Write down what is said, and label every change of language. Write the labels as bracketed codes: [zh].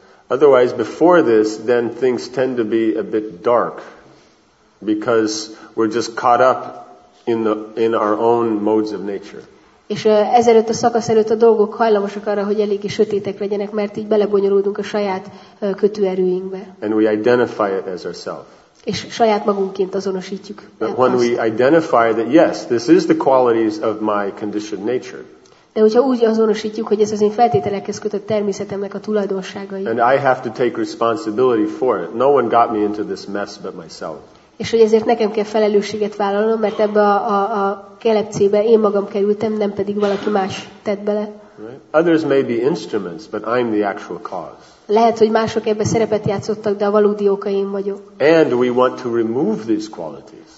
[en] Otherwise, before this, then things tend to be a bit dark, because we're just caught up in our own modes of nature. [hu] És ezelőtt a szakasz előtt a dolgok hajlamosak arra, hogy eléggé sötétek legyenek, mert így belebonyolódunk a saját kötőerőinkbe. [en] And we identify it as ourselves. [hu] És saját magunként azonosítjuk. [en] But when we identify that yes, this is the qualities of my conditioned nature. [hu] De hogyha úgy azonosítjuk, hogy ez az én feltételekhez kötött természetemnek a tulajdonságai. [en] And I have to take responsibility for it. No one got me into this mess but myself. [hu] És hogy ezért nekem kell felelősséget vállalnom, mert ebbe a kelepcébe én magam kerültem, nem pedig valaki más tett bele. [en] Right? Others may be instruments, but I'm the actual cause. [hu] Lehet, hogy mások ebben szerepet játszottak, de a valódi oka én vagyok. [en] And we want to remove these qualities.